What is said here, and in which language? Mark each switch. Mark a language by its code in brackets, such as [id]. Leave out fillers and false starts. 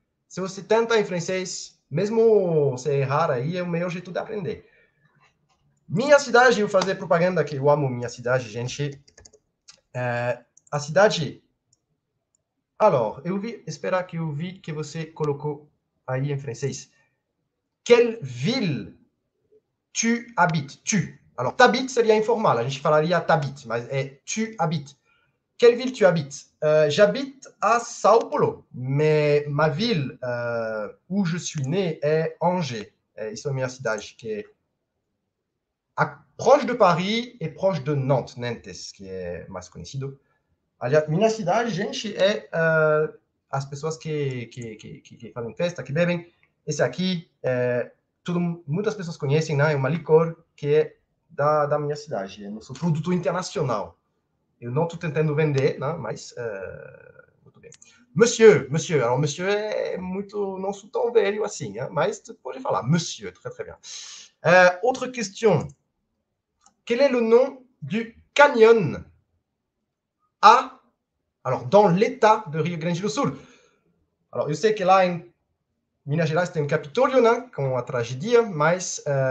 [pt] Se você tenta em francês, mesmo você errar aí, é o melhor jeito de aprender. Minha cidade, eu vou fazer propaganda que eu amo minha cidade, gente. A cidade. Alors, eu vi. Esperar que eu vi que você colocou. Aí em francês. [fr] Quelle ville tu habites? Tu. [pt] Alors, t'habites seria informal. A gente falaria t'habites, mas é tu habites. [fr] Quelle ville tu habites? J'habite à São Paulo, mais ma ville où je suis né [pt] é Angers. Isso é minha cidade, que é [fr] proche de Paris [pt] e proche de Nantes, Nantes, que é mais conhecido. Aliás, minha cidade, gente, é. As pessoas que fazem festa, que bebem. Esse aqui, muitas pessoas conhecem, né? É uma licor que é da minha cidade. É nosso produto internacional. Eu não estou tentando vender, né? Mas, muito bem. Monsieur. Alors, monsieur é muito, não sou tão velho assim, né? Mas pode falar. [fr] Monsieur, très, très bien. Outra question. Quel est le nom du canyon dans l'état de Rio Grande do Sul? [pt] Alors, eu sei que lá em Minas Gerais tem o Capitólio, né, com a tragédia, mas